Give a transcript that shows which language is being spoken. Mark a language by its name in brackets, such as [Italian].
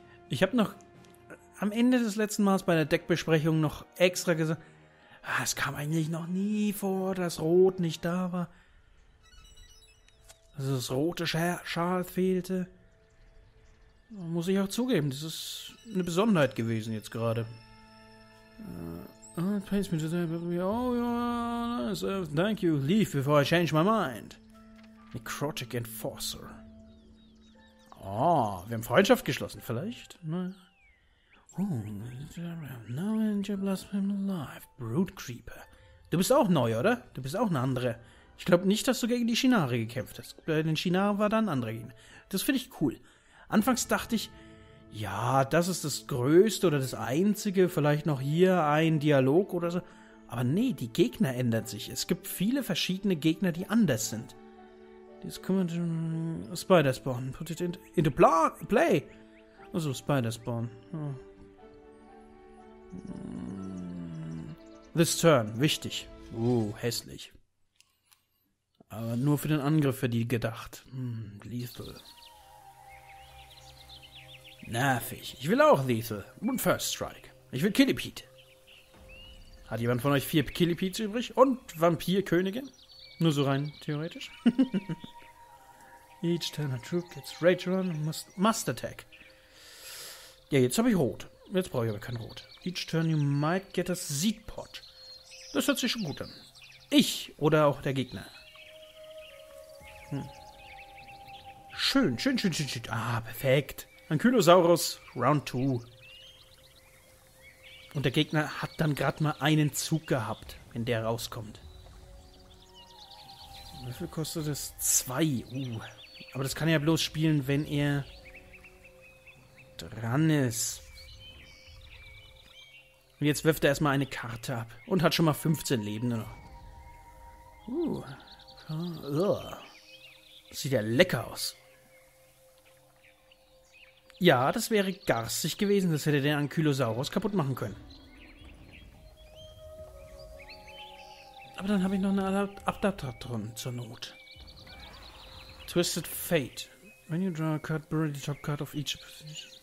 [German] Ich habe noch am Ende des letzten Mals bei der Deckbesprechung noch extra gesagt... Es kam eigentlich noch nie vor, dass Rot nicht da war. Dass das rote Schal fehlte. Muss ich auch zugeben, das ist eine Besonderheit gewesen jetzt gerade. [English] Please me to say, oh, thank you. Leave before I change my mind. Necrotic Enforcer. [German] Oh, wir haben Freundschaft geschlossen, vielleicht? Nein. [English] Now Angel Blasphemy Alive, Brute Creeper. [German] Du bist auch neu, oder? Du bist auch eine andere. Ich glaube nicht, dass du gegen die Shinare gekämpft hast. Bei den Shinare war da ein anderer Gegner. Das finde ich cool. Anfangs dachte ich, ja, das ist das Größte oder das Einzige, vielleicht noch hier ein Dialog oder so. Aber nee, die Gegner ändern sich. Es gibt viele verschiedene Gegner, die anders sind. [English] This comment Spider Spawn, put it into play. [German] Also Spider Spawn. [English] This turn, [German] wichtig. Hässlich. Aber nur für den Angriff für die gedacht. Lethal. Nervig. Ich will auch Lethal. Und First Strike. Ich will Killipede. Hat jemand von euch 4 Killipedes übrig? Und Vampirkönige? Nur so rein theoretisch. [English] Each turn a troop gets Rage Run and must attack. [German] Ja, jetzt habe ich Rot. Jetzt brauche ich aber kein Rot. [English] Each turn you might get a Seed Pot. [German] Das hört sich schon gut an. Ich oder auch der Gegner. Schön, schön, schön, schön, schön. Ah, perfekt. Ankylosaurus, Round 2. Und der Gegner hat dann gerade mal einen Zug gehabt, wenn der rauskommt. Wie viel kostet das? 2. Aber das kann er ja bloß spielen, wenn er dran ist. Und jetzt wirft er erstmal eine Karte ab. Und hat schon mal 15 Leben. Sieht ja lecker aus. Ja, das wäre garstig gewesen. Das hätte den Ankylosaurus kaputt machen können. Aber dann habe ich noch eine Adaptatron zur Not. [English] Twisted Fate. When you draw a card, bury the top card of each position.